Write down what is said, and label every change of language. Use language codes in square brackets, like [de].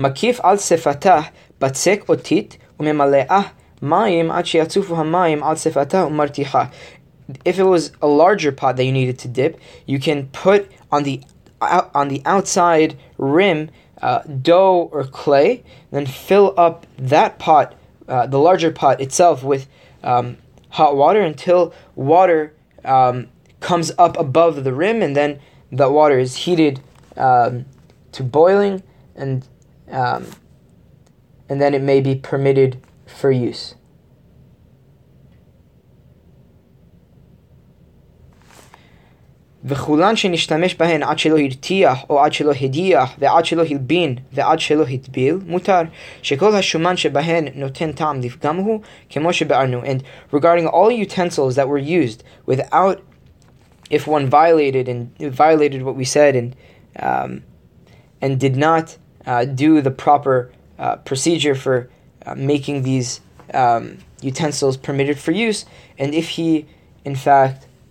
[he] מקיף על שפתה בצק אותית וממלאה מים עד שיצופו המים על שפתה ומרתיחה. [en] If it was a larger pot that you needed to dip, you can put on the outside rim dough or clay, then fill up that pot, the larger pot itself, with hot water until water comes up above the rim, and then that water is heated to boiling, and then it may be permitted for use. [he] וכולן שנשתמש בהן עד שלא הרתיח או עד שלא הדיח ועד שלא הלבין ועד שלא הטביל מותר שכל השומן שבהן נותן טעם לפגם הוא כמו שבארנו. [en] And regarding all utensils that were used without, if one violated what we said and did not do the proper procedure for making these utensils permitted for use, and if he in fact